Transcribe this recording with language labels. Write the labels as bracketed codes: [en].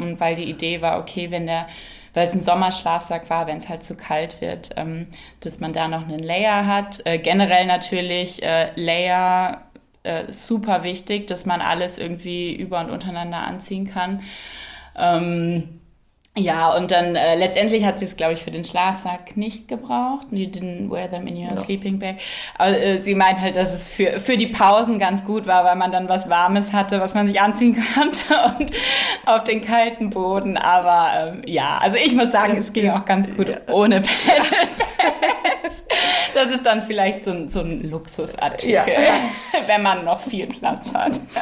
[de] Und weil die Idee war, okay, weil es ein Sommerschlafsack war, wenn es halt zu kalt wird, dass man da noch einen Layer hat. Generell natürlich Layer... super wichtig, dass man alles irgendwie über und untereinander anziehen kann. Ja, und dann letztendlich hat sie es, glaube ich, für den Schlafsack nicht gebraucht. [en] You didn't wear them in your sleeping bag. [de] Aber sie meint halt, dass es für die Pausen ganz gut war, weil man dann was Warmes hatte, was man sich anziehen konnte und auf den kalten Boden. Aber ja, also ich muss sagen, es ging auch ganz gut ohne Pelle. Das ist dann vielleicht so ein Luxusartikel, wenn man noch viel Platz hat.